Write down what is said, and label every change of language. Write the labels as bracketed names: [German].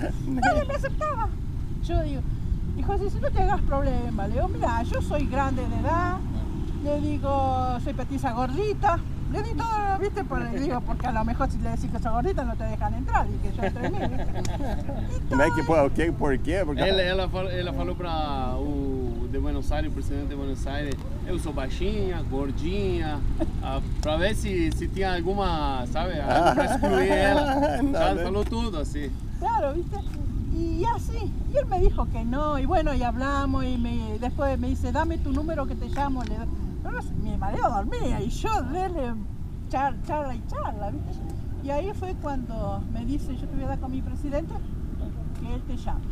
[Spanish] Nadie me aceptaba. Yo digo, y José, si no te hagas problema, le digo, mira, yo soy grande de edad, le digo, soy petiza gordita. Le di todo, viste, por, digo, porque a lo mejor si le decís que sos gordita no te dejan entrar, y que yo entrené. ¿Viste? Entonces, ¿qué? ¿Por qué? Porque [Portuguese] ella falou para o de Buenos Aires, o presidente de Buenos Aires, eu sou baixinha, gordinha, para ver si tinha alguma, sabe, para excluir ela. Já falou tudo assim. [Spanish] Claro, viste. Y así, y él me dijo que no, y bueno, y hablamos, y después me dice, dame tu número que te llamo. Pero mi marido dormía y yo dele charla y charla, ¿viste? Y ahí fue cuando me dice, yo te voy a dar con mi presidente, que él te llama.